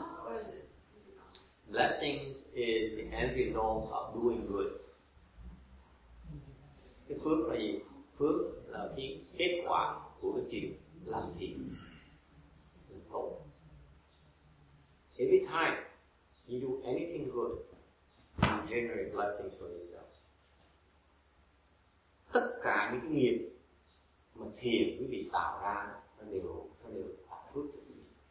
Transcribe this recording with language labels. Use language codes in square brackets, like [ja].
[en] Yes. Blessings is the end result of doing good. [vi] Cái phước là gì? Phước là cái kết quả của cái việc làm thiện. [en] Every time you do anything good, you generate blessings for yourself. [vi] Tất cả những cái nghiệp mà thiền quý vị tạo ra nó đều tạo phước cho quý vị.